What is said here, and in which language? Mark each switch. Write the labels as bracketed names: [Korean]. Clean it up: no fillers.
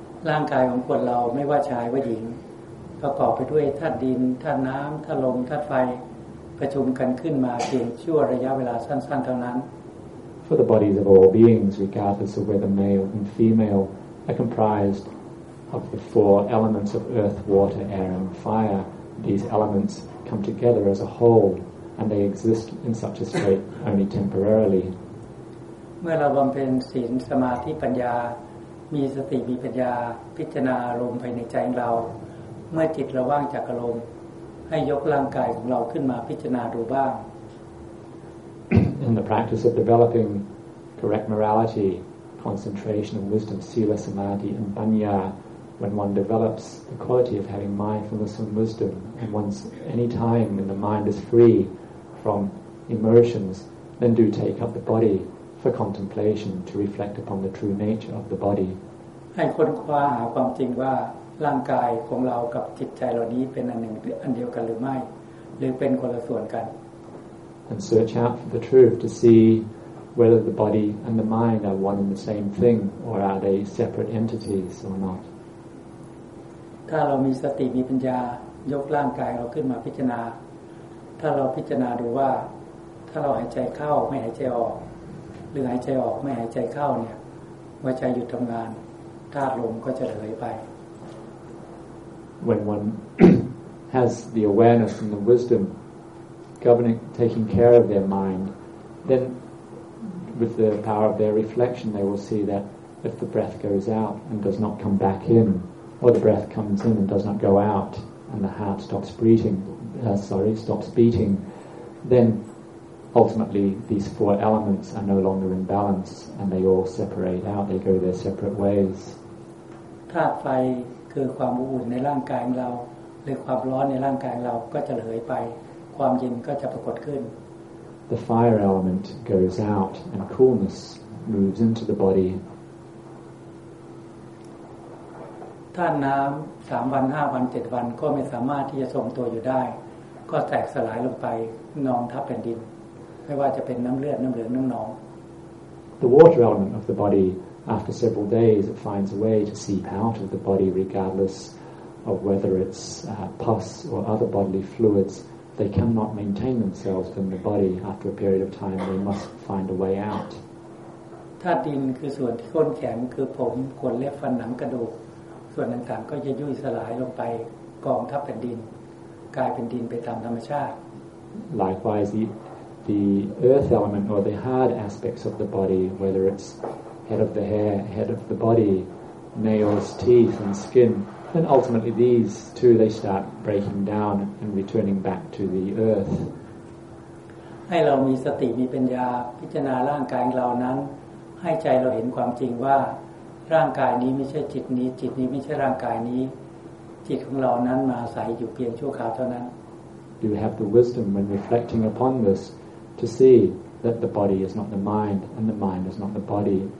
[Thai] ร่างกายของคนเราไม่ว่าชายว่าหญิงประกอบไปด้วยธาตุดินธาตุน้ำธาตุลมธาตุไฟประชุมกันขึ้นมาเพียงชั่วระยะเวลาสั้นๆเท่านั้น [English] For the bodies of all beings, regardless of whether male and female, are comprised of the four elements of earth, water, air, and fire. These elements come together as a whole, and they exist in such a state only temporarily. [Thai] เมื่อเราบำเพ็ญศีลสมาธิปัญญามีสติมีปัญญาพิจารณาอารมณ์ภายในใจของเราเมื่อจิตเราว่างจากอารมณ์ให้ยกร่างกายของเราขึ้นมาพิจารณาดูบ้าง [English] In the practice of developing correct morality, concentration and wisdom, sila, samadhi and banya, when one develops the quality of having mindfulness and wisdom, and once any time when the mind is free from emotions, then do take up the bodyfor contemplation to reflect upon the true nature of the body [Thai] ให้ค้นคว้าหาความจริงว่าร่างกายของเรากับจิตใจเรานี้เป็นอันหนึ่งอันเดียวกันหรือไม่หรือเป็นคนละส่วนกัน [English] and search out for the truth to see whether the body and the mind are one and the same thing or are they separate entities or not [Thai] ถ้าเรามีสติมีปัญญายกร่างกายเราขึ้นมาพิจารณาถ้าเราพิจารณาดูว่าถ้าเราหายใจเข้าไม่หายใจออกหรือหายใจออกไม่หายใจเข้าเนี่ยหัวใจหยุดทำงานธาตุลมก็จะเหยไป [English] When one has the awareness and the wisdom governing taking care of their mind then with the power of their reflection they will see that if the breath goes out and does not come back in or the breath comes in and does not go out and the heart stops beating then Ultimately, these four elements are no longer in balance, and they all separate out. They go their separate ways. [Thai] ธาตุไฟคือความอุ่นในร่างกายของเราหรือความร้อนในร่างกายเราก็จะเหยไปความเย็นก็จะปรากฏขึ้น [English] The fire element goes out, and coolness moves into the body. [Thai] ธาตุน้ำ3วัน5วัน7วันก็ไม่สามารถที่จะทรงตัวอยู่ได้ก็แตกสลายลงไปนองทับแผ่นดินไม่ว่าจะเป็นน้ำเลือดน้ำเหลืองน้ำหนอง [English] The water element of the body, after several days, it finds a way to seep out of the body, regardless of whether it's pus or other bodily fluids. They cannot maintain themselves in the body after a period of time. They must find a way out. [Thai] ธาตุดินคือส่วนที่ข้นแข็งคือผมขนเล็บฟันหนังกระดูกส่วนต่างๆก็จะยุ่ยสลายลงไปกองทับแผ่นดินกลายเป็นดินไปตามธรรมชาติ [English] Likewise, the earth element or the hard aspects of the body whether it's head of the hair head of the body nails teeth and skin then ultimately these too they start breaking down and returning back to the earth [Thai] ให้เรามีสติมีปัญญาพิจารณาร่างกายของเรานั้นให้ใจเราเห็นความจริงว่าร่างกายนี้ไม่ใช่จิตนี้จิตนี้ไม่ใช่ร่างกายนี้จิตของเรานั้นมาอาศัยอยู่เพียงชั่วคราวเท่านั้น [English] Do you have the wisdom when reflecting upon this to see that the body is not the mind and the mind is not the body?